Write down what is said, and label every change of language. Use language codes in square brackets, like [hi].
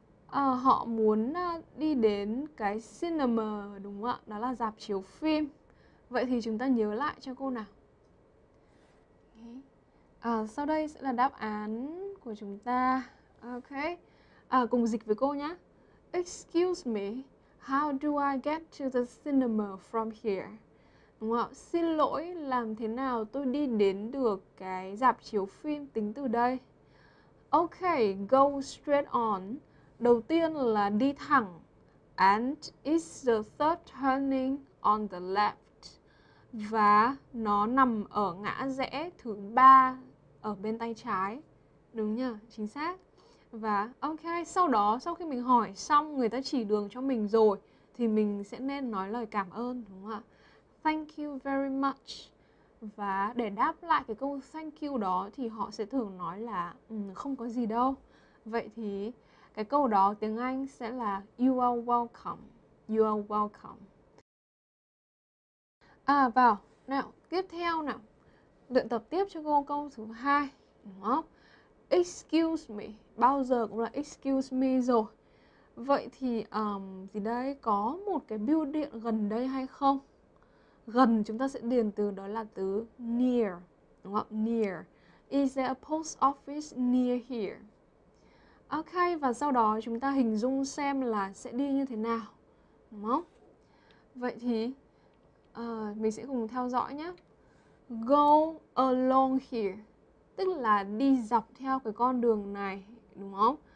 [vi] Họ muốn đi đến cái cinema đúng không ạ? Đó là rạp chiếu phim. Vậy thì chúng ta nhớ lại cho cô nào. Sau đây sẽ là đáp án của chúng ta. Ok, cùng dịch với cô nhé. [en] Excuse me, how do I get to the cinema from here? [vi] Đúng không ạ? Xin lỗi, làm thế nào tôi đi đến được cái rạp chiếu phim tính từ đây? Ok, [en] go straight on. [vi] Đầu tiên là đi thẳng. [en] And it's the third turning on the left. [vi] Và nó nằm ở ngã rẽ thứ ba ở bên tay trái. Đúng nhỉ? Chính xác. Và ok, sau đó sau khi mình hỏi xong người ta chỉ đường cho mình rồi thì mình sẽ nên nói lời cảm ơn đúng không ạ? [en] Thank you very much. [vi] Và để đáp lại cái câu [en] thank you [vi] đó thì họ sẽ thường nói là không có gì đâu. Vậy thì cái câu đó tiếng Anh sẽ là [en] you are welcome. You are welcome. [vi] À vào, nào, tiếp theo nào. Luyện tập tiếp cho cô câu thứ hai, đúng không? [en] Excuse me, [vi] bao giờ cũng là [en] excuse me [vi] rồi. Vậy thì gì đây, có một cái bưu điện gần đây hay không? Gần chúng ta sẽ điền từ đó là từ near, đúng không? [en] Near. Is there a post office near here? [vi] Ok, và sau đó chúng ta hình dung xem là sẽ đi như thế nào, đúng không? Vậy thì mình sẽ cùng theo dõi nhé. [en] Go along here, [vi] tức là đi dọc theo cái con đường này, đúng không?